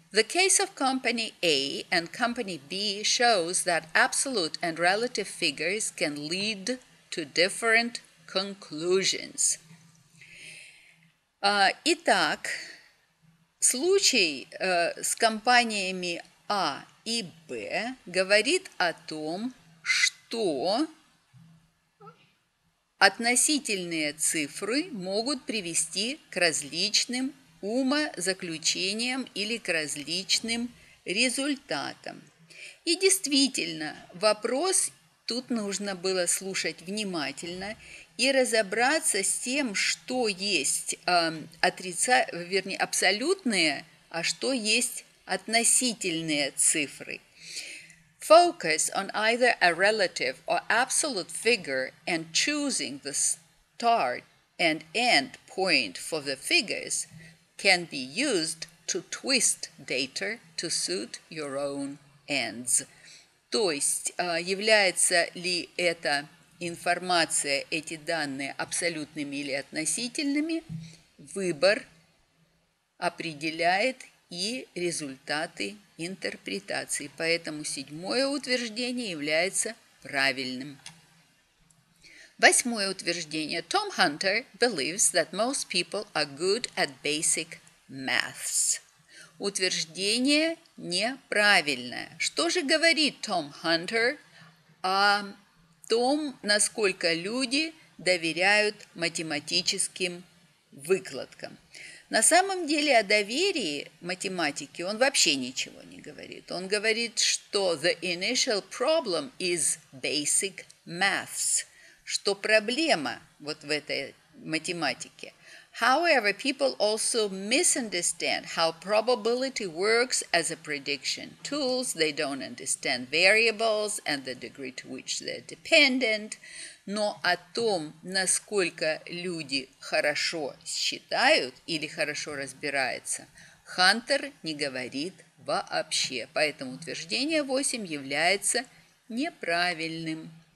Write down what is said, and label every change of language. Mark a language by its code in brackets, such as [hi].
[en] The case of company A and company B shows that absolute and relative figures can lead to different conclusions. [ru] Итак, случай с компаниями А и Б говорит о том, что относительные цифры могут привести к различным умозаключениям или к различным результатам. И действительно, вопрос тут нужно было слушать внимательно и разобраться с тем, что есть абсолютные, а что есть относительные цифры. [en] Focus on either a relative or absolute figure and choosing the start and end point for the figures can be used to twist data to suit your own ends. [ru] То есть, является ли эта информация, эти данные абсолютными или относительными, выбор определяет и результаты интерпретации. Поэтому седьмое утверждение является правильным. Восьмое утверждение. [en] Tom Hunter believes that most people are good at basic maths. [ru] Утверждение неправильное. Что же говорит Том Хантер о том, насколько люди доверяют математическим выкладкам? На самом деле о доверии математике он вообще ничего не говорит. Он говорит, что [en] the initial problem is basic maths, [ru] что проблема вот в этой математике. [en] However, people also misunderstand how probability works as a prediction tool. They don't understand variables and the degree to which they're dependent. [ru] Но о том, насколько люди хорошо считают или хорошо разбираются, Хантер не говорит вообще. Поэтому утверждение 8 является неправильным.